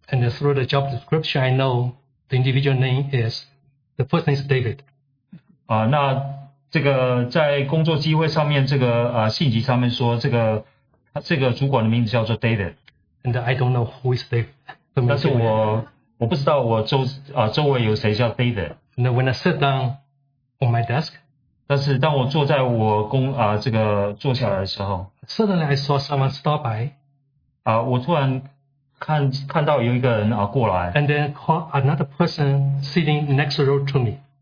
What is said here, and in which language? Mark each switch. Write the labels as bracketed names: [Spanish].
[English] And through the job description, I know the individual name is, the person is David. [Chinese] 那这个在工作机会上面这个信息上面说，这个主管的名字叫做David。 [English] And I don't know who is David. [Chinese] 但是我不知道我周围有谁叫David。 [English] And when I sit down on my desk, [Chinese] 但是当我坐下来的时候， [English] Suddenly I saw someone stop by. [Chinese] 我突然看到有一个人过来。 [English] And then call another person sitting next row to me.